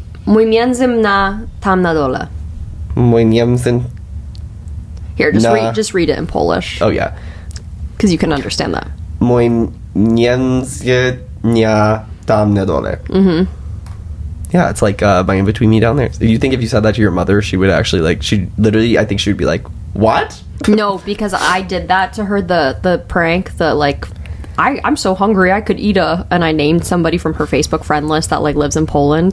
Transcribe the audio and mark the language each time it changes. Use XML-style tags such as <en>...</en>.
<pl>Mój między na tam na dole. Mój między.</pl> <en>Here, just read it in Polish. Oh yeah, because you can understand that.</en> <pl>Mój między na tam na dole. Mm-hmm.</pl> <en>Yeah, it's like my in between me down there. You think if you said that to your mother, she would actually like? She literally, I think she would be like, "What?" No, because I did that to her. The prank. The like. I'm so hungry I could eat and I named somebody from her Facebook friend list that like lives in Poland.</en>